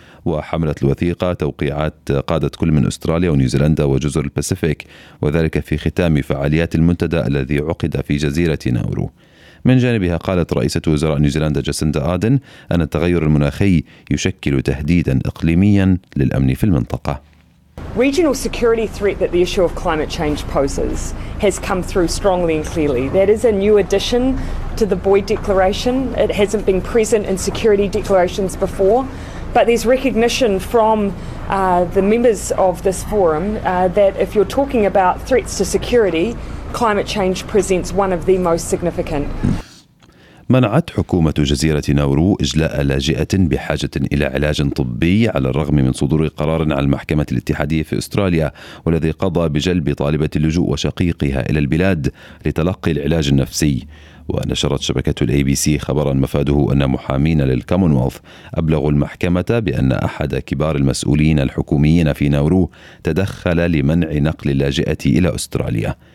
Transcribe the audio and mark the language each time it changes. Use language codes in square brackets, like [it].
[ar] وحملت الوثيقة توقيعات قادة كل من أستراليا ونيوزيلندا وجزر الباسيفيك، وذلك في ختام فعاليات المنتدى الذي عقد في جزيرة ناورو. من جانبها قالت رئيسة وزراء نيوزيلندا جاسيندا آدن أن التغير المناخي يشكل تهديدا إقليميا للأمن في المنطقة. [en] Regional security threat that the issue of climate change poses has come through strongly and clearly. That is a new addition to the Boyd Declaration. It hasn't been present in security declarations before, but there's recognition from the members of this forum that if you're talking about threats to security, climate change presents one of the most significant. [ar] منعت حكومة جزيرة ناورو إجلاء لاجئة بحاجة إلى علاج طبي على الرغم من صدور قرار على المحكمة الاتحادية في أستراليا، والذي قضى بجلب طالبة اللجوء وشقيقها إلى البلاد لتلقي العلاج النفسي. ونشرت شبكة ABC خبرا مفاده أن محامين للكومنولث أبلغوا المحكمة بأن أحد كبار المسؤولين الحكوميين في ناورو تدخل لمنع نقل اللاجئة إلى أستراليا.